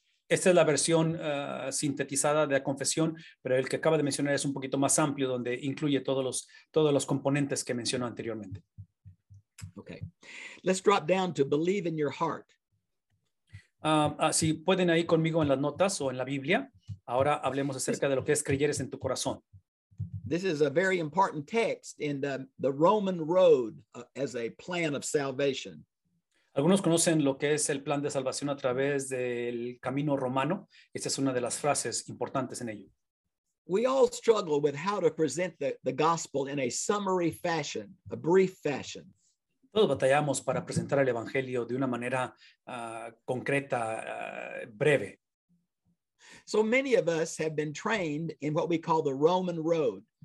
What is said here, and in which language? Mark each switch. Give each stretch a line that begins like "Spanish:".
Spanish: Esta es la versión sintetizada de la confesión, pero el que acaba de mencionar es un poquito más amplio, donde incluye todos los componentes que mencionó anteriormente.
English: Okay. Let's drop down to believe in your heart.
Spanish: Si pueden ahí conmigo en las notas o en la Biblia, ahora hablemos acerca de lo que es creyeres en tu corazón.
English: This is a very important text in the Roman road as a plan of salvation.
Spanish: Algunos conocen lo que es el plan de salvación a través del camino romano. Esta es una de las frases importantes en ello.
English: We all struggle with how to present the gospel in a summary fashion, a brief fashion.
Spanish: Todos batallamos para presentar el evangelio de una manera concreta, breve.
English: So many of us have been trained in what we call the Roman road.